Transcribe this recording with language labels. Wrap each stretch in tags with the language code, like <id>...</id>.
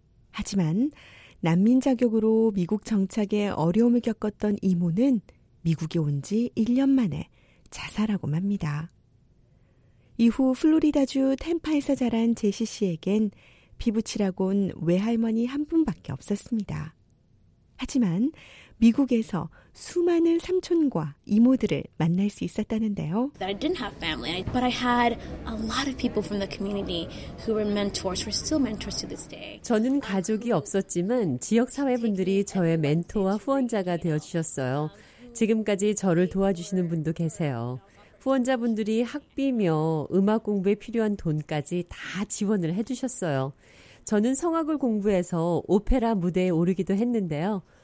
<ko>하지만 난민 자격으로 미국 정착에 어려움을 겪었던 이모는 미국에 온 지 1년 만에 자살하고 맙니다. 이후 플로리다주 템파에서 자란 제시 씨에겐 피붙이라곤 외할머니 한 분밖에 없었습니다. 하지만 미국에서 수많은 삼촌과 이모들을 만날 수 있었다는데요.</ko> <en>I didn't have family, but I had a lot of people from the community who were mentors, who are still mentors to this day.</en> <ko>저는 가족이 없었지만 지역 사회분들이 저의 멘토와 후원자가 되어 주셨어요. 지금까지 저를 도와주시는 분도 계세요. 후원자분들이 학비며 음악 공부에 필요한 돈까지 다 지원을 해주셨어요. 저는 성악을 공부해서 오페라 무대에 오르기도 했는데요.</ko>